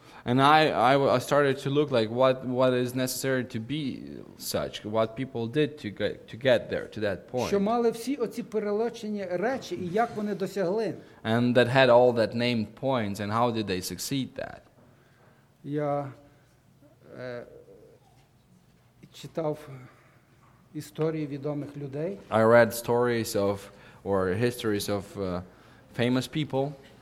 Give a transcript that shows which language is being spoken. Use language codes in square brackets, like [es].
[en] And I started to look like what is necessary to be such, what people did to get there to that point. [uk] Що мали всі оці перелочені речі і як вони досягли? [en] And that had all that named points and how did they succeed that? [uk] Я читав історії відомих людей. [en] I read stories of or histories of famous people.